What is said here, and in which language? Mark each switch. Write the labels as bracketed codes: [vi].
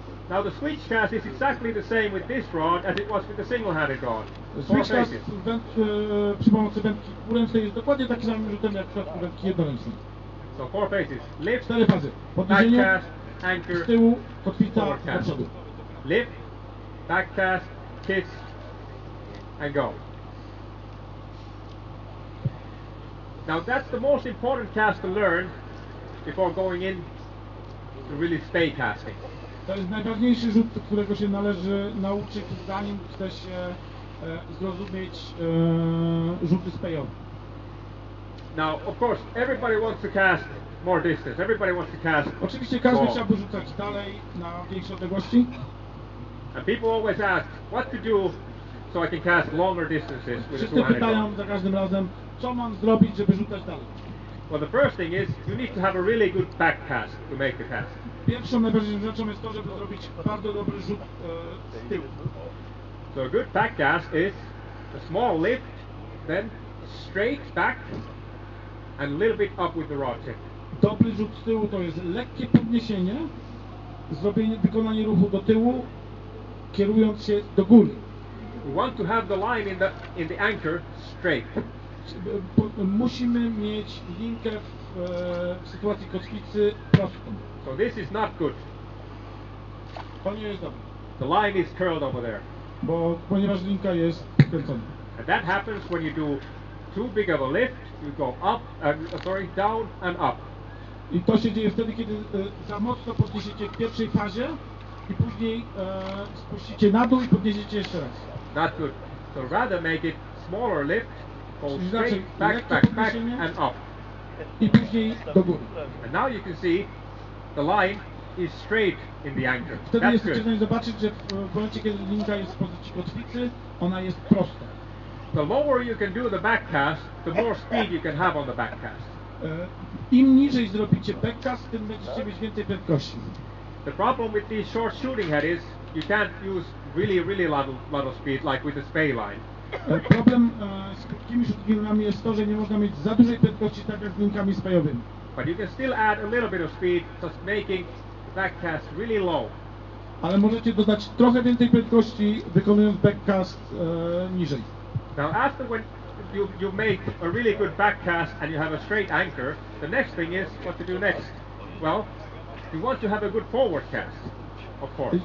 [en] Now the switch cast is exactly the same with this rod as it was with the single-handed rod. [pl] Switch cast przy pomocy wędki w ręce jest dokładnie taki sam rzutem jak w przypadku wędki jednoręcznej. [en] So four faces. Lift. [pl] Cztery fazy. Podniesienie. [en] Back cast. Anchor. [pl] Z tyłu. Kotwica. Do przodu. [en] Lift. Back cast. Kiss. And go. Now that's the most important cast to learn before going in. To really stay casting. [pl] To jest najważniejszy rzut, którego się należy nauczyć, zanim chce się zrozumieć rzuty spejowe. [en] Now, of course, everybody wants to cast more distance. Everybody wants to cast. [pl] Oczywiście każdy chciałby rzucać dalej na większe odległości. [en] And people always ask, what to do so I can cast longer distances with a 200. [pl] Wszyscy pytają za każdym razem, co mam zrobić, żeby rzucać dalej. [en] Well, the first thing is you need to have a really good back cast to make the cast. [pl] Pierwszą najważniejszą rzeczą jest to, żeby zrobić bardzo dobry rzut z tyłu. [en] So a good back cast is a small lift, then straight back and a little bit up with the rod tip. [pl] Dobry rzut z tyłu to jest lekkie podniesienie, zrobienie, wykonanie ruchu do tyłu, kierując się do góry. [en] We want to have the line in the anchor straight. [pl] Musimy mieć linkę w sytuacji kotwicy prostą. [en] So this is not good. [pl] To nie jest dobre. [en] The line is curled over there. [pl] Bo ponieważ linka jest kręcona. [en] And that happens when you do too big of a lift. You go up, down and up. [pl] I to się dzieje wtedy, kiedy za mocno podniesiecie w pierwszej fazie i później spuścicie na dół i podniesiecie jeszcze raz. [en] Not good. So rather make it smaller lift. Straight, back, and up. [pl] I później do góry. [en] And now you can see the line is straight in the anchor. [pl] Wtedy [en] that's [pl] jest [en] good. [pl] Zobaczyć, że w momencie, kiedy linka jest w pozycji kotwicy, ona jest prosta. [en] The lower you can do the back cast, the more speed you can have on the back cast. [pl] Im niżej zrobicie back cast, tym będziecie mieć więcej prędkości. [en] The problem with these short shooting head is you can't use really, really lot of speed like with the spay line. [pl] Problem z krótkimi rzutkami jest to, że nie można mieć za dużej prędkości, tak jak z linkami spajowymi. [en] But you can still add a little bit of speed, just making the back cast really low. [pl] Ale możecie dodać trochę więcej prędkości, wykonując back cast niżej. [en] Now after when you make a really good back cast and you have a straight anchor, the next thing is what to do next. Well, you want to have a good forward cast, of course.